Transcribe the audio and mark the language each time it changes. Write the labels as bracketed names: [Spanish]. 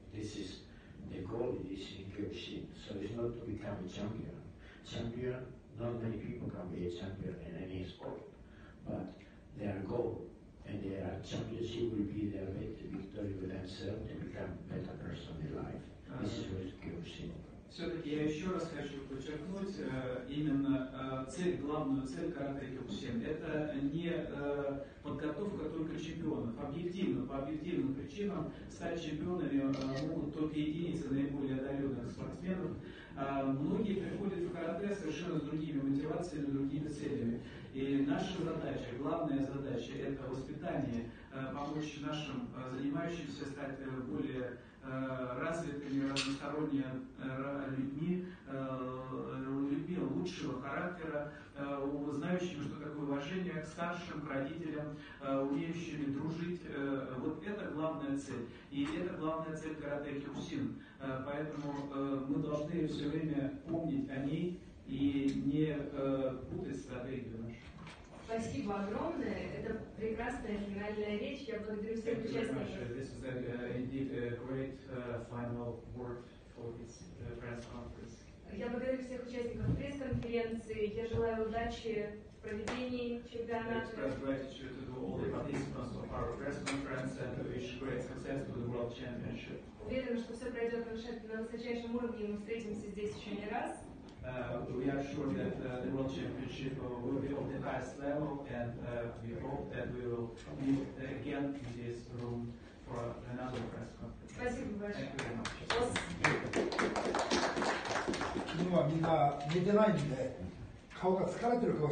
[English] This is the goal in this inclusion. So it's not to become a champion. Champion, not many people can be a champion in any sport, but their goal and their championship will be their way to victory for themselves to become a better person in life. This is what Kyokushin. [Russian] Все-таки я еще раз хочу подчеркнуть именно цель, главную цель карате Кюкусин. Это не подготовка только чемпионов. Объективно, по объективным причинам стать чемпионами могут только единицы наиболее одаренных спортсменов. Многие приходят в карате совершенно с другими мотивациями, другими целями. И наша задача, главная задача, это воспитание, помочь нашим занимающимся стать более развитыми, разносторонние людьми, людьми лучшего характера, знающими, что такое уважение к старшим, к родителям, умеющими дружить. Вот это главная цель. И это главная цель карате кюкусин. Поэтому мы должны все время помнить о ней и не путать стратегию нашу. Спасибо огромное. Это прекрасная финальная речь. Я благодарю всех участников. [English] This is indeed a great final word for this press conference. [Russian] Я благодарю всех участников пресс-конференции. Я желаю удачи в проведении чемпионата. [English] I congratulate you to all the participants of our press conference and wish great success to the World Championship. [Russian] Уверена, что все пройдет на высочайшем уровне, и мы встретимся здесь еще не раз. [English] We are sure that the World Championship will be of the highest level, and we hope that we will meet again in this room for another press conference. Thank you very much. Today, everyone is not sleeping, so their faces are tired.